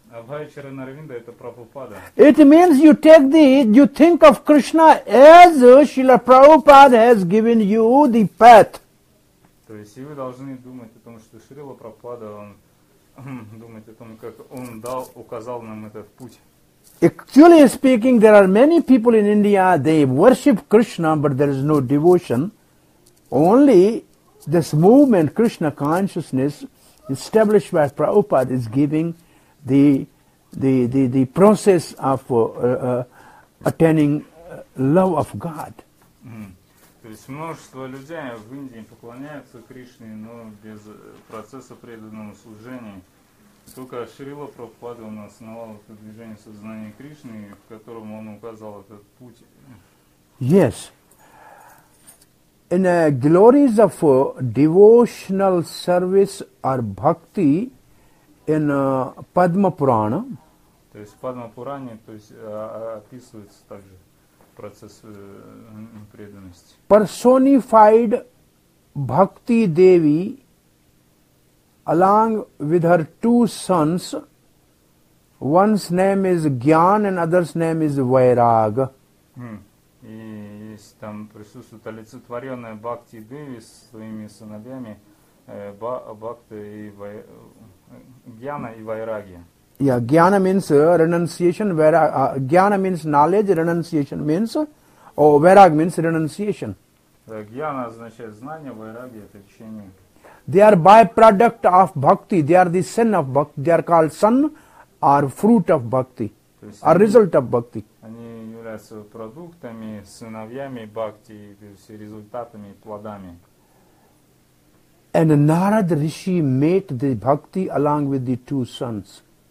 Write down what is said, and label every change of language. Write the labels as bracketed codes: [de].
[ru] Абхай Чаранарвинда это Прабхупада. [en] It means you take the, you think of Krishna as Шрила Прабхупада has given you the path. [ru] То есть и вы должны думать о том, что Шрила Прабхупада, он думает о том, как он дал, указал нам этот путь. [en] Actually speaking, there are many people in India, they worship Krishna, but there is no devotion. Only this movement, Krishna consciousness, established by Prabhupada, is giving the process of attaining love of God. [ru] То есть множество людей в Индии поклоняются Кришне, но без процесса преданного служения. Только Шрила Прабхупада он основал это движение сознания Кришны, в котором он указал этот путь. [en] Yes. In the glories of devotional service or bhakti in Padma Purana. [ru] То есть в Падма Пуране, то есть описывается также процесс преданности. [en] Personified Bhakti Devi along with her two sons, one's name is Gyan and other's name is Vairag. [ru] И есть там присутствует олицетворенная Бхакти Деви с своими сыновьями Бхакти и Гьяна и Вайраги. [en] Yeah, Gyana means renunciation, Gyana means knowledge, renunciation means, Vairag means renunciation. [ru] Гьяна означает знание, Вайраги это учение. [en] They are byproduct of bhakti. They are the son of bhakti. They are called son or fruit of bhakti. Or result of bhakti. [ru] Они являются продуктами, сыновьями бхакти, то есть результатами, плодами. [en] And Narada Rishi made the bhakti along with the two sons.